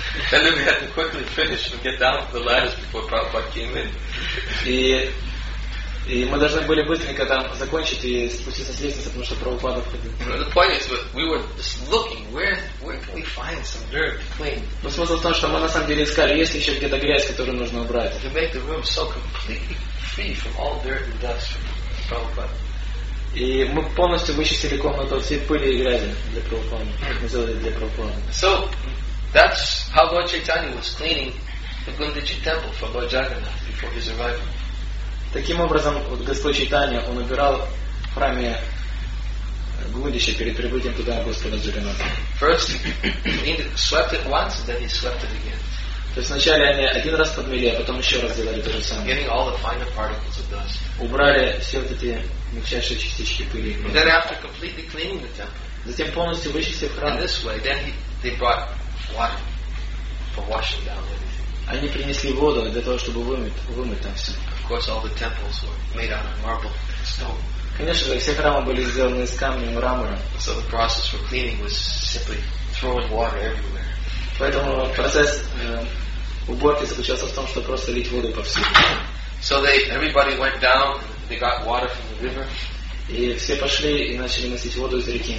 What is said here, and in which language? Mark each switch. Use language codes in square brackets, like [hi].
[en] Then we had to quickly finish and get down the ladders before Prabhupada came in. [ru] И мы должны были быстренько там закончить и спуститься с лестницы, потому что Прабхупада входил. [en] The point is, we were just looking, where can we find some dirt to clean? [ru] Но смысл в том, что мы на самом деле искали, есть ли еще где-то грязь, которую нужно убрать. [en] To make the room so completely free from all dirt and dust from Prabhupada. [ru] И мы полностью вычистили комнату от всей пыли и грязи для Прабхупады. Мы сделали для Прабхупады. [en] So, that's how Lord Chaitanya was cleaning the Gundichi temple for Lord Jagannath before his arrival. [ru] Таким образом, вот Господь Чайтанья, он убирал в храме Гундиши перед прибытием туда Господа Джаганнатха. [en] First, he swept it once, then he swept it again. [ru] То есть вначале они один раз подмели, а потом еще раз делали то же самое. [en] Getting all the finer particles of dust. [ru] Убрали все вот эти мельчайшие частички пыли. [en] And then after completely cleaning the temple. [ru] Затем полностью вычистив храм. [en] In this way, then they brought water for washing down everything. [ru] Они принесли воду для того, чтобы вымыть там все. [en] Of course, all the temples were made out of marble and stone. [ru] Конечно, все храмы были сделаны из камня и мрамора. [en] So the process for cleaning was simply throwing water everywhere. [ru] Поэтому процесс уборки заключался в том, что просто лить воду повсюду. [en] So everybody went down, they got water from the river. [ru] И все пошли и начали носить воду из реки.